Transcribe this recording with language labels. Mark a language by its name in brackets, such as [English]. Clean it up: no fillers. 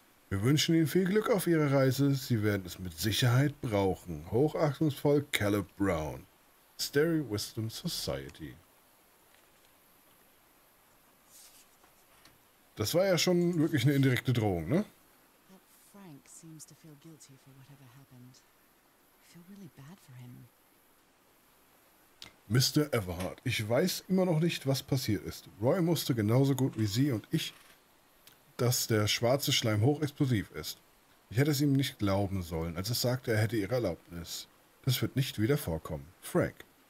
[German] Wir wünschen Ihnen viel Glück auf Ihrer Reise. Sie werden es mit Sicherheit brauchen. Hochachtungsvoll, Caleb Brown. Starry Wisdom Society. Das war ja schon wirklich eine indirekte Drohung, ne? [English] But Frank seems to feel guilty for whatever happened. I feel really bad for him. Mr. [German] Everhart, ich weiß immer noch nicht, was passiert ist. Roy musste genauso gut wie Sie und ich, dass der schwarze Schleim hochexplosiv ist. Ich hätte es ihm nicht glauben sollen, als es sagte, er hätte ihre Erlaubnis. Das wird nicht wieder vorkommen. Frank.